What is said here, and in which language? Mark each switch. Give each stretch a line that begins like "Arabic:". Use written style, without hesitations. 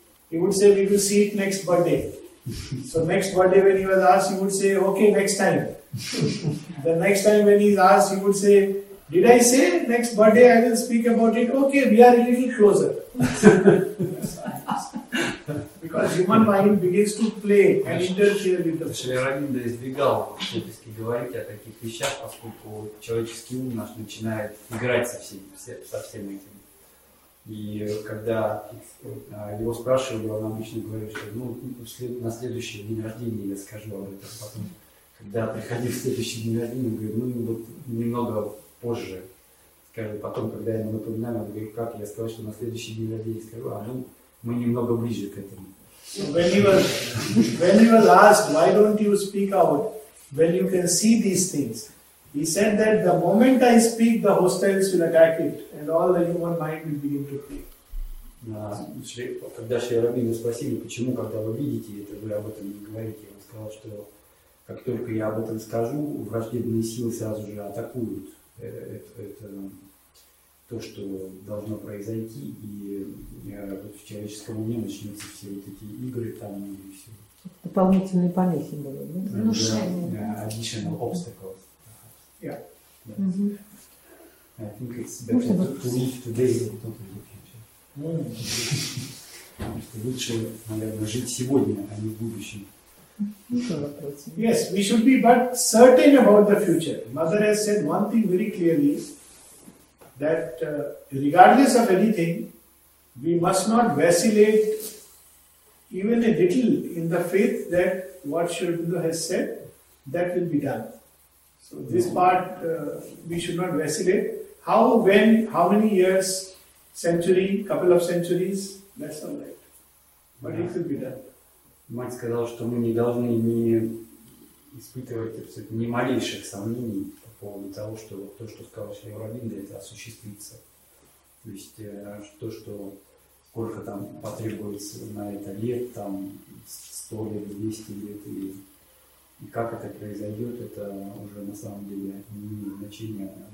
English: He would say, we will see it next birthday. So next birthday when he was asked, he would say, okay, next time. The next time when he is asked, he would say, did I say next birthday I will speak about it? Okay, we are a little closer. Because human mind begins to play and interfere with the person.
Russian: Шриарабинда избегал всячески говорить о таких вещах, поскольку человеческий ум наш начинает играть со всем этим. И когда его спрашивали, он обычно говорил, что на следующий день рождения я скажу об этом. Потом, когда приходил в следующий день рождения, он говорит, немного позже. Скажу. Потом, когда я ему напоминаю, он говорит, как я сказал, что на следующий день рождения скажу, мы немного ближе к этому.
English: When he was asked, why don't you speak out when you can see these things? He said that the moment I speak, the hostiles will attack it, and all the human mind will begin to play.
Russian: Когда Шри Аурбинда спросили, почему, когда вы видите это, вы об этом не говорите, он сказал, что как только я об этом скажу, враждебные силы сразу же атакуют. Это то, что должно произойти, и в человеческом уме начнутся все вот эти игры там и все. Дополнительные помехи были, да? Внушение.
English: Additional obstacles. Yeah. Mm-hmm. I think it's better to leave today than not in the future. Mm-hmm.
Russian: Лучше, наверное, жить сегодня, а не в будущем.
English: Yes, we should be but certain about the future. Mother has said one thing very clearly, that regardless of anything, we must not vacillate even a little in the faith that what Sri Aurobindo has said, that will be done. So this part, we should not vacillate. How, when, how many years, century, couple of centuries, that's all right. But it will be done.
Russian: Мать сказала, что мы не должны ни испытываете ни малейших сомнений по поводу того, что то, что сказал Сергей Воробьинда, это осуществится. То есть то, что сколько там потребуется на это лет, там 100 лет, 200 лет, и как это произойдет, это уже на самом деле не имеет значения.